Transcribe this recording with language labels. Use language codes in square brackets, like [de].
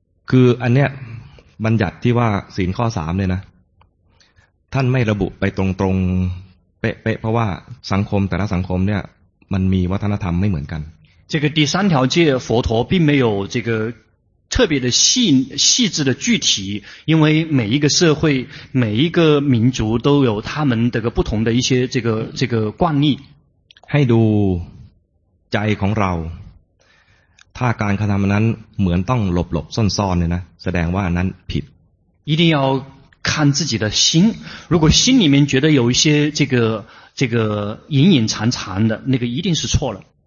[th] คืออันเนี้ยบัญญัติที่ว่าศีลข้อ3เนี่ยนะท่านไม่ระบุไปตรงๆเป๊ะเพราะว่าสังคมแต่ละสังคมเนี่ยมันมีวัฒนธรรมไม่เหมือนกัน [zh] 这个第三条戒佛陀并没有这个特别的细致的具体，因为每一个社会每一个民族都有他们这个不同的一些这个惯例。 [th] ให้ดูใจของเราถ้าการกระทำนั้นเหมือนต้องหลบซ่อนๆเนี่ยนะแสดงว่านั้นผิด [zh] 一定要看自己的心，如果心里面觉得有一些这个隐隐藏藏的，那个一定是错了。